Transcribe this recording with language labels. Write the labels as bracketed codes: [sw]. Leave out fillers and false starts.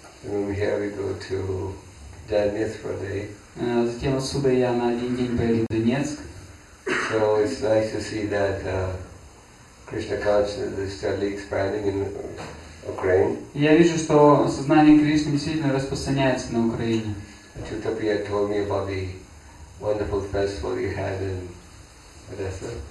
[en] And from here we go to Donetsk for a day. [ru] Затем отсюда я на 1 день поеду в Донецк. [en] So it's nice to see that Krishna consciousness is steadily expanding in Ukraine. [ru] Я вижу, что сознание Кришны действительно распространяется на Украине. [en] Chutapia told me about the wonderful festival you had in Odessa.